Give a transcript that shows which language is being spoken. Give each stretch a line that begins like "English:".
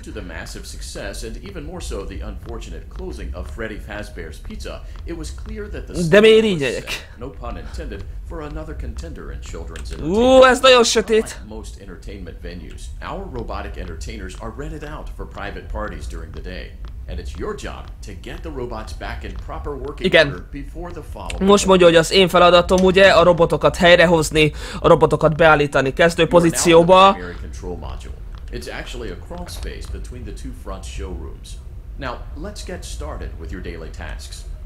English: Due to the massive success and even more so the unfortunate closing of Freddy Fazbear's Pizza, it was clear that the story was set, no pun intended, for another contender in children's entertainment. Like most entertainment venues, our robotic entertainers are rented out for private parties during the day. And it's your job to get the robots back in proper working order before the following.
Hungarian: Most mondja, hogy az én feladatom ugye a robotokat helyrehozni, a robotokat beállítani kezdő pozícióba.
English: It's actually a crawl space between the two front showrooms. Now, let's get started with your daily tasks.